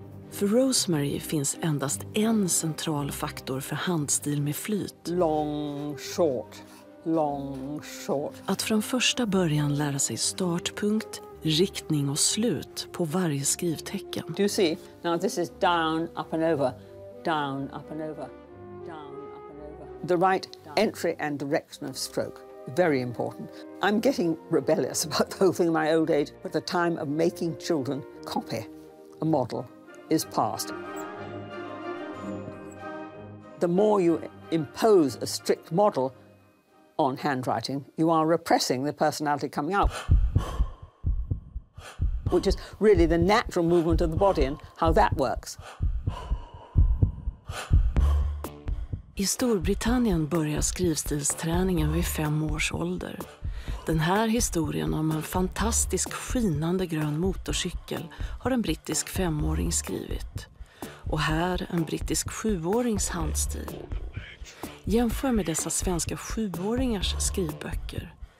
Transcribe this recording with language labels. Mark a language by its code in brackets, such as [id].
[sv] För Rosemary finns endast en central faktor för handstil med flyt. [en] Long, short, long, short. [sv] Att från första början lära sig startpunkt, riktning och slut på varje skrivtecken. [en] Do you see? Now this is down, up and over. Down, up and over. Down, up and over. The right entry and direction of stroke. Very important. I'm getting rebellious about the whole thing in my old age, but the time of making children copy a model is past. The more you impose a strict model on handwriting, you are repressing the personality coming out. Which is really the natural movement of the body and how that works. [sv] I Storbritannien börjar skrivstilsträningen vid 5 års ålder. Den här historien om en fantastisk skinande grön motorcykel har en brittisk 5-åring skrivit. Och här en brittisk 7-årings handstil. Jämför med dessa svenska 7-åringars skrivböcker.